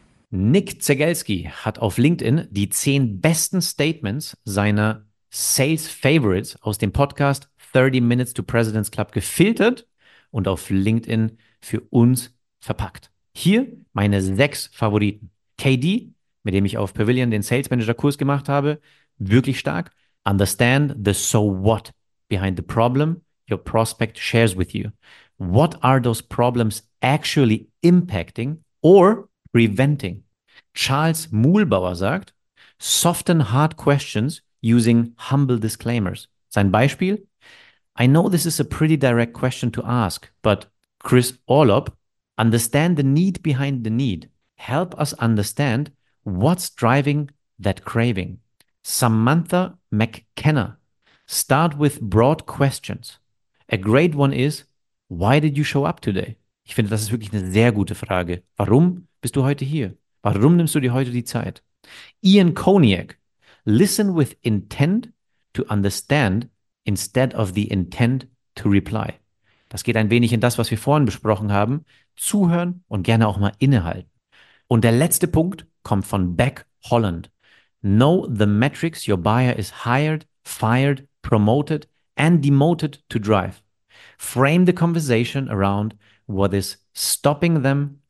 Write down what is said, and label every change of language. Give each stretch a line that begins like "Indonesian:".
German: Nick Zegelski hat auf LinkedIn die 10 besten Statements seiner Sales Favorites aus dem Podcast 30 Minutes to President's Club gefiltert und auf LinkedIn für uns verpackt. Hier meine 6 Favoriten. KD, mit dem ich auf Pavilion den Sales Manager Kurs gemacht habe, wirklich stark.
English: Understand the so what behind the problem your prospect shares with you. What are those problems actually impacting or preventing? Charles Muhlbauer sagt: Soften hard questions using humble disclaimers.
German: Sein Beispiel:
English: I know this is a pretty direct question to ask, but Chris Orlop, understand the need behind the need. Help us understand what's driving that craving. Samantha McKenna: Start with broad questions. A great one is: Why did you show up today?
German: Ich finde, das ist wirklich eine sehr gute Frage. Warum bist du heute hier? Warum nimmst du dir heute die Zeit?
English: Ian Koniak: Listen with intent to understand instead of the intent to reply.
German: Das geht ein wenig in das, was wir vorhin besprochen haben. Zuhören und gerne auch mal innehalten. Und der letzte Punkt kommt von
English: Beck Holland: Know the metrics your buyer is hired, fired, promoted and demoted to drive. Frame the conversation around what is stopping them